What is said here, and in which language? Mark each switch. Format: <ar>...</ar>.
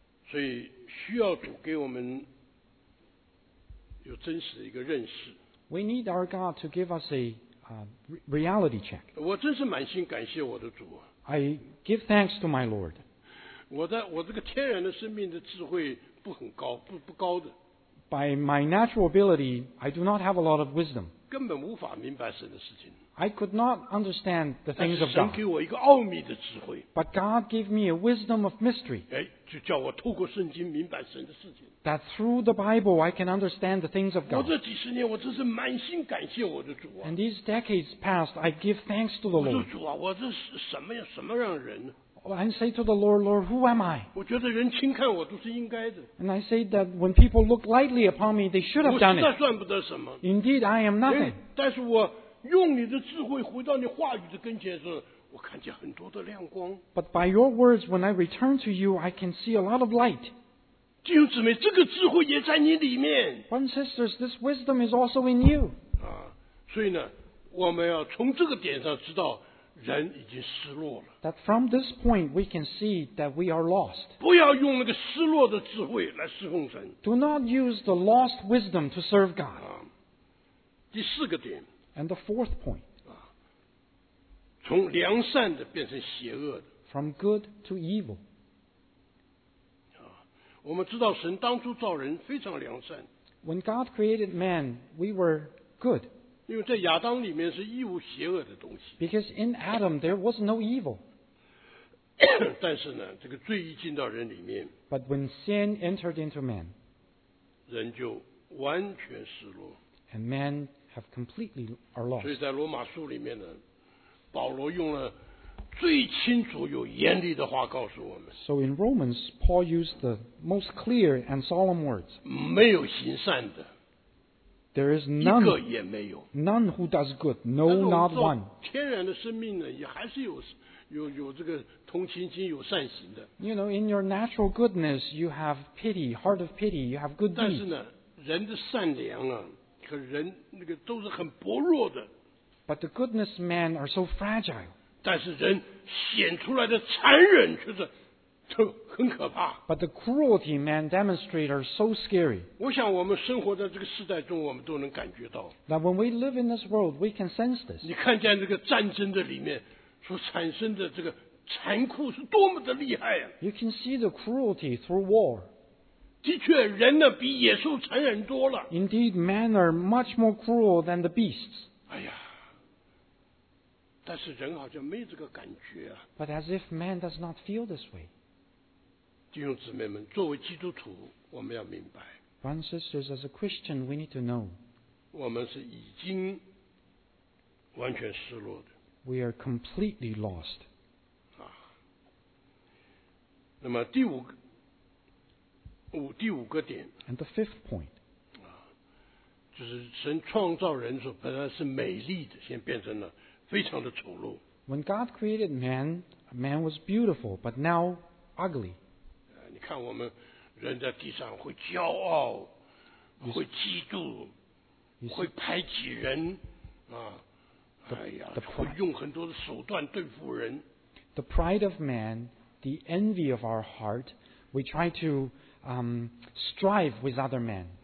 <zh>所以需要主给我们有真实的一个认识。</zh> <en>We need our God to give us a reality check.</en> <zh>我真是满心感谢我的主。</zh> <en>I give thanks to my Lord.</en> <zh>我这个天然的生命的智慧不很高，不高的。</zh> <en>By my natural ability, I do not have a lot of wisdom.</en> <zh>根本无法明白神的事情。</zh> <en>I could not understand the things of God.</en> <zh>但是神给我一个奥秘的智慧。</zh> <en>But God gave me a wisdom of mystery.</en> <zh>哎，就叫我透过圣经明白神的事情。</zh> <en>That through the Bible I can understand the things of God.</en> <zh>我这几十年我真是满心感谢我的主啊。</zh> <en>And these decades passed, I give thanks to the Lord.</en> <zh>我说主啊，我这是什么呀？什么让人？</zh> <en>I say to the Lord, Lord, who am I?</en> <zh>我觉得人轻看我都是应该的。</zh> <en>And I say that when people look lightly upon me, they should have done it.</en> <zh>我实在算不得什么。</zh> <en>Indeed, I am nothing.</en> <zh>但是我用你的智慧回到你话语的跟前的时候，我看见很多的亮光。</zh> <en>But by your words, when I return to you, I can see a lot of light.</en> <zh>弟兄姊妹，这个智慧也在你里面。</zh> <en>Brothers and sisters, this wisdom is also in you.</en> <zh>所以呢，我们要从这个点上知道人已经失落了。</zh> <en>That from this point we can see that we are lost.</en> <zh>不要用那个失落的智慧来侍奉神。</zh> <en>Do not use the lost wisdom to serve God.</en> <zh>第四个点。</zh> <en>And the fourth point,</en> <zh>从良善的变成邪恶的。</zh> <en>From good to evil.</en> <zh>我们知道神当初造人非常良善。</zh> <en>When God created man, we were good.</en> <zh>因为在亚当里面是一无邪恶的东西。</zh> <en>Because in Adam there was no evil.</en> <zh>但是呢，这个罪一进到人里面。</zh> <en>But when sin entered into man,</en> <zh>人就完全失落。</zh> <en>And man have completely are lost.</en> <zh>所以在罗马书里面呢，保罗用了最清楚又严厉的话告诉我们。</zh> <en>So in Romans, Paul used the most clear and solemn words.</en> <zh>没有行善的。</zh> <en>There is none.</en> <zh>一个也没有。</zh> <en>None who does good. No, not one.</en> <zh>天然的生命呢，也还是有这个同情心，有善行的。</zh> <en>You know, in your natural goodness, you have pity, heart of pity, you have good deeds.</en> <zh>但是呢，人的善良啊，可人那个都是很薄弱的。</zh> <en>But the goodness men are so fragile.</en> <zh>但是人显出来的残忍却是就很可怕。</zh> <en>But the cruelty men demonstrate are so scary.</en> <zh>我想我们生活在这个时代中，我们都能感觉到。</zh> <en>That when we live in this world, we can sense this.</en> <zh>你看见这个战争的里面所产生的这个残酷是多么的厉害啊。</zh> <en>You can see the cruelty through war.</en> <zh>的确，人呢比野兽残忍多了。</zh> <en>Indeed, men are much more cruel than the beasts. 哎呀。</en> <zh>但是人好像没这个感觉啊。</zh> <en>But as if man does not feel this way.</en> <zh>弟兄姊妹们，作为基督徒，我们要明白。</zh> <en>Brothers and sisters, as a Christian, we need to know.</en> <zh>我们是已经完全失落的。</zh> <en>We are completely lost. 啊。</en> <zh>那么第五个点。</zh> <en>And the fifth point. 啊。</en> <zh>就是神创造人所本来是美丽的，现在变成了非常的丑陋。</zh> <en>When God created man, man was beautiful, but now ugly.</en> <zh>你看我们人在地上会骄傲，会嫉妒，会排挤人，啊，哎呀，会用很多的手段对付人。</zh> <en>The pride of man, the envy of our heart, we try to strive with other men.</en>